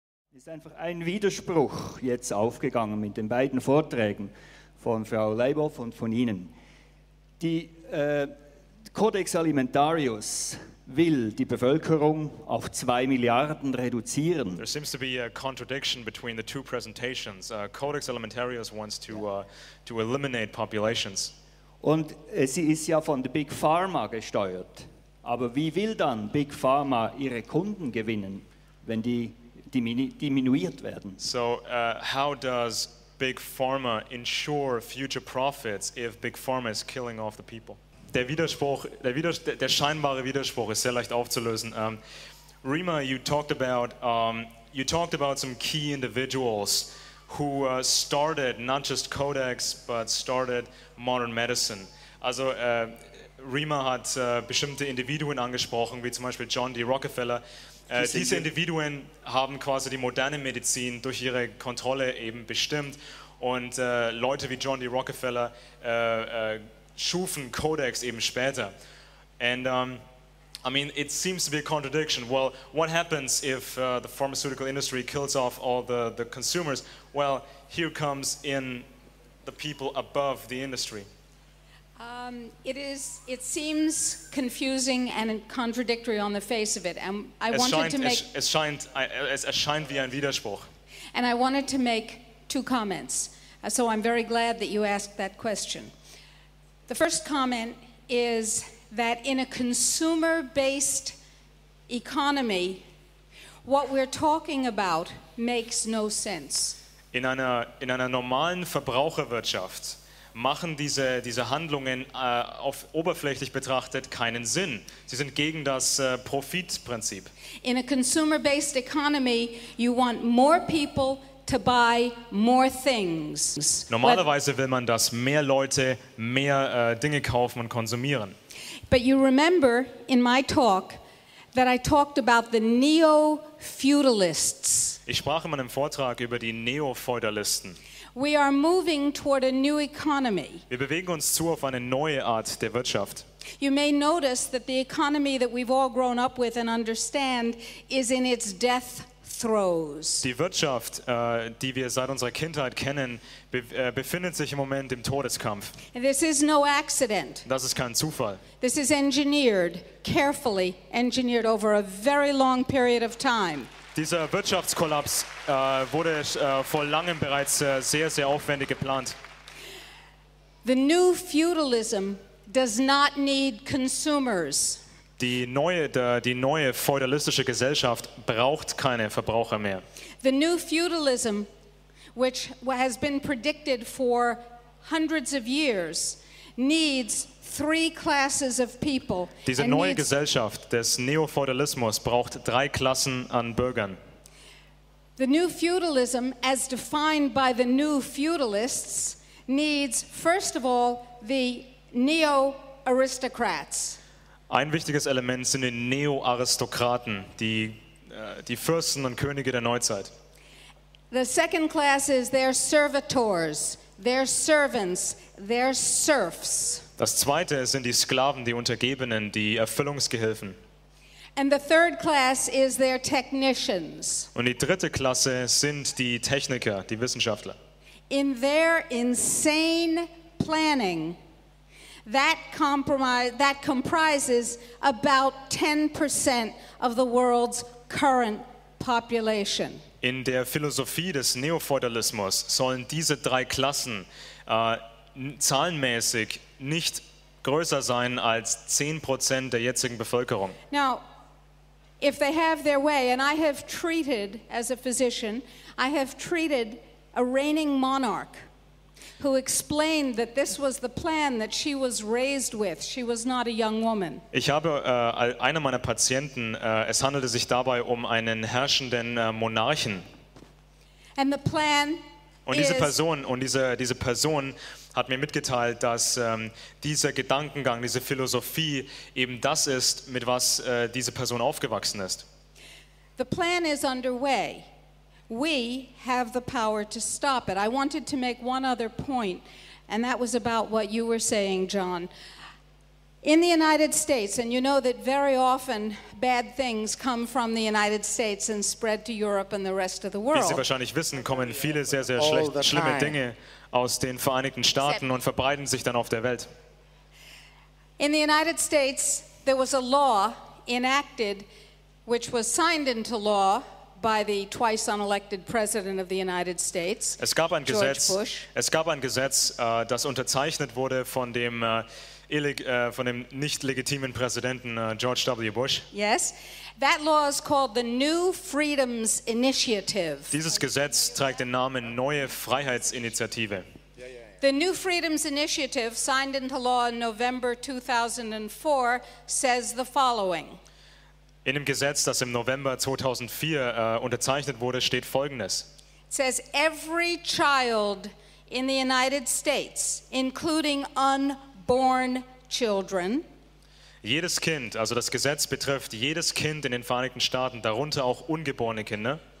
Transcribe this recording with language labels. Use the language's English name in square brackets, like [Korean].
[German] Es ist einfach ein Widerspruch jetzt aufgegangen mit den beiden Vorträgen von Frau Leibhoff und von Ihnen. Die Codex Alimentarius will die Bevölkerung auf 2 Milliarden reduzieren. [English] There seems to be a contradiction between the two presentations. Codex Alimentarius wants to eliminate populations. [German] Und sie ist ja von der Big Pharma gesteuert. Aber wie will dann Big Pharma ihre Kunden gewinnen, wenn die diminuiert werden? [English] So, how does Big Pharma ensure future profits if Big Pharma is killing off the people? [German] Der scheinbare Widerspruch ist sehr leicht aufzulösen. [English] Rima, you talked about some key individuals who started not just Codex, but started modern medicine. [German] Also Rima hat bestimmte Individuen angesprochen, wie zum Beispiel John D. Rockefeller. Diese Individuen haben quasi die moderne Medizin durch ihre Kontrolle eben bestimmt. Und Leute wie John D. Rockefeller schufen Codex eben später. [English] And I mean, it seems to be a contradiction. Well, what happens if the pharmaceutical industry kills off all the consumers? Well, here comes in the people above the industry. It seems confusing and contradictory on the face of it, and I [German] es [English] wanted [German] scheint, [English] to make. [German] Es erscheint wie ein Widerspruch. [English] And I wanted to make two comments, so I'm very glad that you asked that question. The first comment is that in a consumer-based economy, what we're talking about makes no sense. [German] In einer normalen Verbraucherwirtschaft machen diese Handlungen auf oberflächlich betrachtet keinen Sinn. Sie sind gegen das Profitprinzip. [English] In a consumer-based economy, you want more people to buy more things. [German] Normalerweise will man, dass mehr Leute mehr Dinge kaufen und konsumieren. [English] But you remember in my talk that I talked about the neo-feudalists. [German] Ich sprach in meinem Vortrag über die Neo-Feudalisten. [English] We are moving toward a new economy. [German] Wir bewegen uns zu auf eine neue Art der Wirtschaft. [English] You may notice that the economy that we've all grown up with and understand is in its death throes. [German] Die Wirtschaft, die wir seit unserer Kindheit kennen, befindet sich im Moment im Todeskampf. [English] This is no accident. [German] Das ist kein Zufall. [English] This is engineered, carefully engineered over a very long period of time. [German] Dieser Wirtschaftskollaps wurde vor langem bereits sehr, sehr aufwendig geplant. [English] The new feudalism does not need consumers. [German] Die neue feudalistische Gesellschaft braucht keine Verbraucher mehr. [English] The new feudalism, which has been predicted for hundreds of years, needs three classes of people. [German] Diese neue Gesellschaft des Neofeudalismus braucht drei Klassen an Bürgern. [English] The new feudalism, as defined by the new feudalists, needs first of all the neo-aristocrats. [German] Ein wichtiges Element sind die Neo-Aristokraten, die Fürsten und Könige der Neuzeit. [English] The second class is their servitors, their servants, their serfs. [German] Das zweite sind die Sklaven, die Untergebenen, die Erfüllungsgehilfen. [English] And the third class is their technicians. [German] Und die dritte Klasse sind die Techniker, die Wissenschaftler. [English] In their insane planning, that comprises about 10% of the world's current population. [German] In der Philosophie des Neofeudalismus sollen diese drei Klassen zahlenmäßig nicht größer sein als 10% der jetzigen Bevölkerung. [English] Now, if they have their way, and I have treated, as a physician, I have treated a reigning monarch who explained that this was the plan that she was raised with. She was not a young woman. [German] Ich habe einer meiner Patienten, es handelte sich dabei um einen herrschenden Monarchen. [English] And the plan [German] und diese Person, hat mir mitgeteilt, dass dieser Gedankengang, diese Philosophie eben das ist, mit was diese Person aufgewachsen ist. [English] The plan is underway. We have the power to stop it. I wanted to make one other point, and that was about what you were saying, John. In the United States, and you know that very often bad things come from the United States and spread to Europe and the rest of the world. [German] Wie Sie wahrscheinlich wissen, kommen viele sehr, sehr schlimme Dinge aus den Vereinigten Staaten und verbreiten sich dann auf der Welt. [English] In the United States, there was a law enacted, which was signed into law by the twice unelected president of the United States, [German] George Bush. Es gab ein Gesetz, das unterzeichnet wurde von dem von dem nicht legitimen Präsidenten George W. Bush. [English] Yes. That law is called the New Freedoms Initiative. [German] Dieses Gesetz trägt den Namen Neue Freiheitsinitiative. [English] The New Freedoms Initiative, signed into law in November 2004, says the following. [German] In dem Gesetz, das im November 2004 unterzeichnet wurde, steht Folgendes. [English] It says every child in the United States, including unborn children. [German] Jedes Kind, also das Gesetz betrifft jedes Kind in den Vereinigten Staaten, darunter auch ungeborene Kinder.